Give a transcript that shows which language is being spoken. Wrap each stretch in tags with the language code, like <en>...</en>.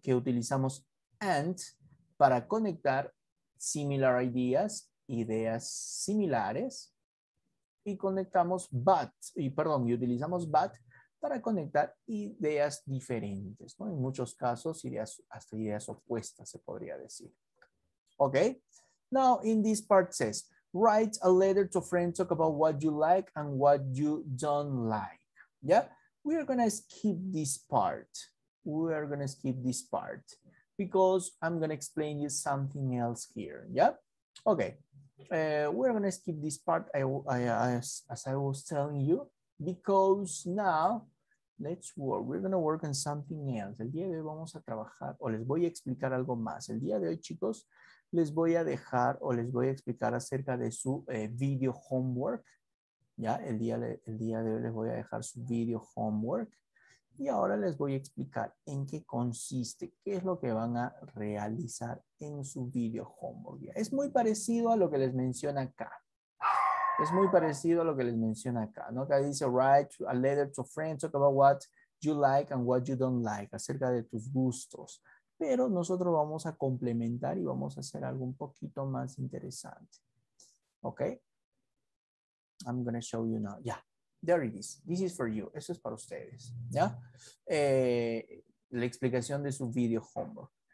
<es>Que utilizamos and para conectar similar ideas, ideas similares, y conectamos but, y perdón, y utilizamos but para conectar ideas diferentes, ¿no? En muchos casos, ideas, hasta ideas opuestas, se podría decir. ¿Ok?</es> <en>Now, in this part says, write a letter to a friend, talk about what you like and what you don't like. Yeah, we are going to skip this part. We are going to skip this part because I'm going to explain you something else here. Yeah, okay. We're going to skip this part, as I was telling you, because now, let's work. We're going to work on something else.</en> <es>El día de hoy vamos a trabajar, o les voy a explicar algo más. El día de hoy, chicos, les voy a dejar o les voy a explicar acerca de su video homework. Ya, el día de hoy les voy a dejar su video homework. Y ahora les voy a explicar en qué consiste, qué es lo que van a realizar en su video homework. ¿Ya? Es muy parecido a lo que les menciona acá. Es muy parecido a lo que les menciona acá. ¿No? Acá dice,</es> <en>write a letter to friends, talk about what you like and what you don't like,</en> <es>acerca de tus gustos. Pero nosotros vamos a complementar y vamos a hacer algo un poquito más interesante.</es> <en>¿Ok? I'm going to show you now. Yeah, there it is. This is for you.</en> <es>Eso es para ustedes. ¿Ya? La explicación de su video homework.</es>